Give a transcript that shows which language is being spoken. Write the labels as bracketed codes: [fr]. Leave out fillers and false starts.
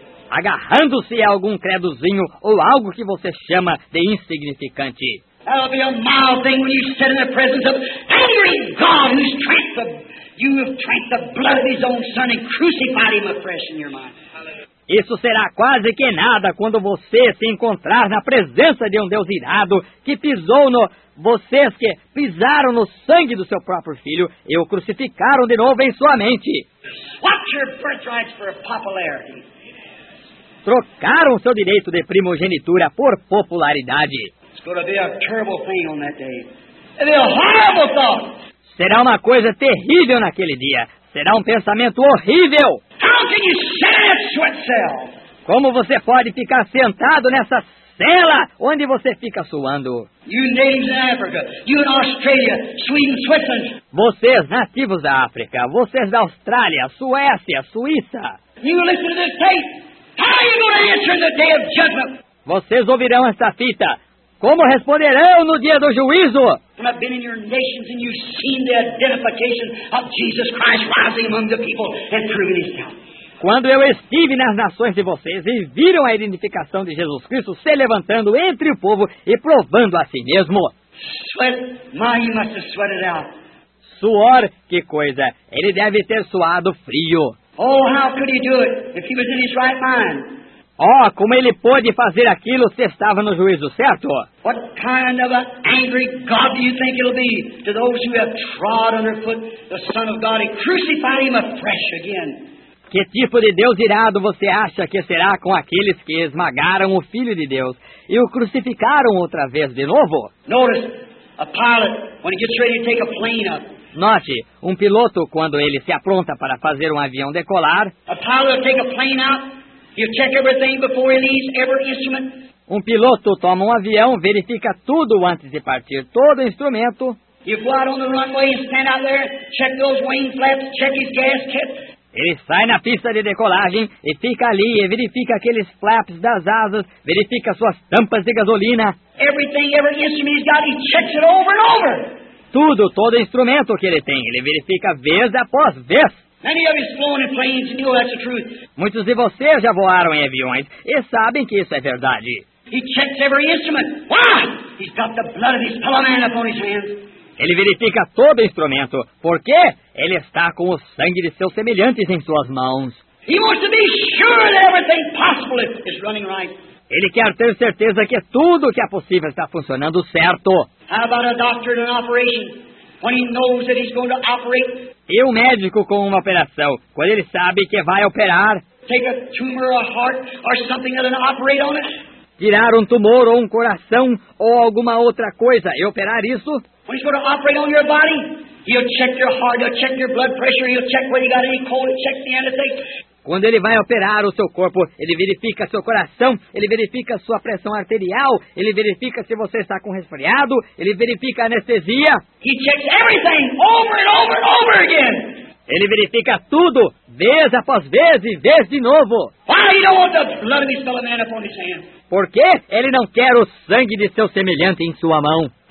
[pt] Agarrando-se a algum credozinho ou algo que você chama de insignificante. [en] That'll be a mild thing when you sit in the presence of angry God who's trying to... You have drank the blood of his own son and crucified him afresh in your mind. [pt] Isso será quase que nada quando você se encontrar na presença de um Deus irado que pisou no... Vocês que pisaram no sangue do seu próprio filho e o crucificaram de novo em sua mente. [en] Swapped your birthrights for popularity. [pt] Trocaram seu direito de primogenitura por popularidade. [en] It's going to be a terrible thing on that day. It'll be a horrible thought. [pt] Será uma coisa terrível naquele dia. Será um pensamento horrível. [en] How can you sit in a sweat cell? [pt] Como você pode ficar sentado nessa cela onde você fica suando? [en] You natives in Africa, you in Australia, Sweden, Switzerland. [pt] Vocês nativos da África, vocês da Austrália, Suécia, Suíça. [en] You listen to this tape. How are you going to answer in the day of judgment? [pt] Vocês ouvirão esta fita. Como responderão no dia do juízo? [en] When I've been in your nations and you've seen the identification of Jesus Christ rising among the people and proving himself. [pt] Quando eu estive nas nações de vocês e viram a identificação de Jesus Cristo se levantando entre o povo e provando a si mesmo. [en] Sweat, my, you must have sweated out. [pt] Suor, que coisa. Ele deve ter suado frio. [en] Oh, how could he do it if he was in his right mind? [pt] Oh, como ele pôde fazer aquilo se estava no juízo, certo? [en] What kind of an angry God do you think it'll be to those who have trod underfoot the Son of God and crucified him afresh again? [pt] Que tipo de Deus irado você acha que será com aqueles que esmagaram o Filho de Deus e o crucificaram outra vez de novo? [en] Notice a pilot when he gets ready to take a plane up. [pt] Note, um piloto quando ele se apronta para fazer um avião decolar. [en] A pilot will take a plane up. You'll check everything before he leaves every instrument. [pt] Um piloto toma um avião, verifica tudo antes de partir, todo instrumento. [en] You go out on the runway and stand out there, check those wing flaps, check his gas kit. [pt] Ele sai na pista de decolagem e fica ali e verifica aqueles flaps das asas, verifica suas tampas de gasolina. [en] Everything, every instrument he's got, he checks it over and over. [pt] Tudo, todo instrumento que ele tem, ele verifica vez após vez. [en] Many of you have flown in planes, you know that's the truth. [pt] Muitos de vocês já voaram em aviões e sabem que isso é verdade. [en] He checks every instrument. Why? He's got the blood of his fellow man upon his hands. [pt] Ele verifica todo instrumento. Por quê? Ele está com o sangue de seus semelhantes em suas mãos. [en] He wants to be sure that everything possible is running right. [pt] Ele quer ter certeza que tudo que é possível está funcionando certo. [en] How about a doctor in operation when he knows that he's going to operate? [pt] E um médico com uma operação, quando ele sabe que vai operar. [en] Take a tumor, a heart, or something that'll operate on it. [pt] Tirar um tumor ou um coração ou alguma outra coisa e operar isso. [en] When he's going to operate on your body, he'll check your heart, he'll check your blood pressure, he'll check whether you got any cold, he'll check the anesthetic. [pt] Quando ele vai operar o seu corpo, ele verifica seu coração, ele verifica sua pressão arterial, ele verifica se você está com resfriado, ele verifica a anestesia. [en] He checks everything over and over and over again. [pt] Ele verifica tudo, vez após vez e vez de novo. [en] Why he don't want the blood of his fellow man upon his hand? [pt] Por que ele não quer o sangue de seu semelhante em sua mão?